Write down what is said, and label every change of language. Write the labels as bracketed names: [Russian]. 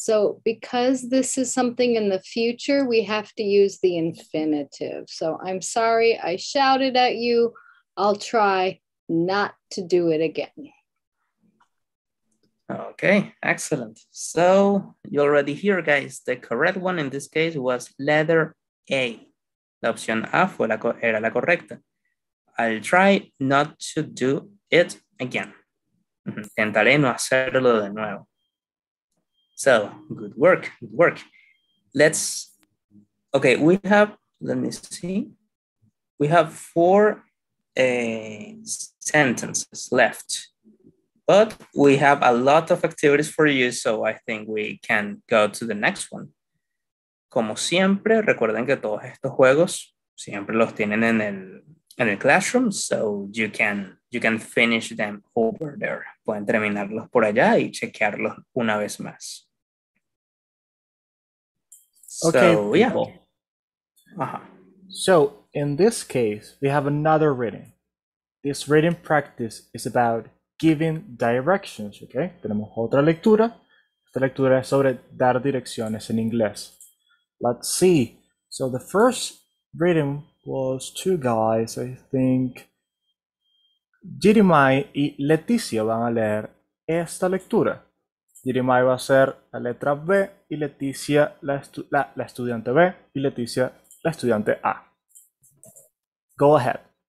[English] So because this is something in the future, we have to use the infinitive. So I'm sorry I shouted at you. I'll try not to do it again. Okay, excellent. So you already hear, guys, the correct one in this case was letter A. [Spanish] La opción A fue la era la correcta. [English] I'll try not to do it again. [Spanish] Intentaré no hacerlo de nuevo. [English] So, good work, good work. Okay, we have, let me see. We have four sentences left. But we have a lot of activities for you, so I think we can go to the next one. [Spanish] Como siempre, recuerden que todos estos juegos siempre los tienen en el classroom, [English] so you can finish them over there. [Spanish] Pueden terminarlos por allá y chequearlos una vez más. [English] Okay, so, yeah. Uh-huh. So, in this case, we have another reading. This reading practice is about giving directions, okay? [Spanish] Tenemos otra lectura. Esta lectura es sobre dar direcciones en inglés. [English] Let's see. So the first reading was two guys, I think. [Spanish] Jeremiah y Leticia van a leer esta lectura. Jeremiah va a ser la letra B y Leticia la estudiante B y Leticia la estudiante A. [English] Go ahead.